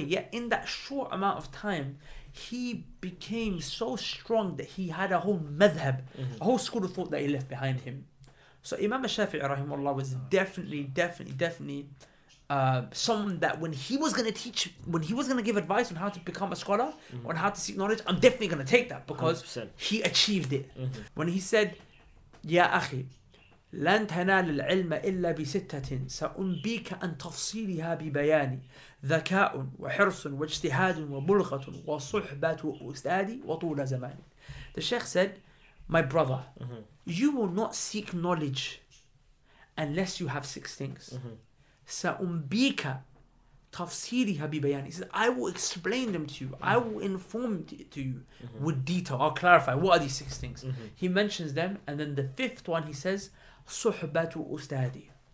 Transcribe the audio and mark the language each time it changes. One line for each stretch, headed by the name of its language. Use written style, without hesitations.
English: Yet in that short amount of time, he became so strong that he had a whole madhab, a whole school of thought that he left behind him. So Imam Shafi'i rahimahullah was definitely someone that when he was going to teach, when he was going to give advice on how to become a scholar, on how to seek knowledge, I'm definitely going to take that, because 100%. He achieved it. When he said, Ya Akhi,
Arabic: لن تنال العلم إلا بستة سأنبيك أن تفصيلها ببياني ذكاء وحرص واجتهاد وبلغة وصحبة أستاذي وطول زماني.
English: The Sheikh said, my brother, you will not seek knowledge unless you have six things.
Arabic: سأنبيك تفصيلها ببياني.
English: He said, I will explain them to you. I will inform it to you with detail. I'll clarify. What are these six things? He mentions them. And then the fifth one, he says,
Arabic: صُحْبَةُ أُسْتَادِي.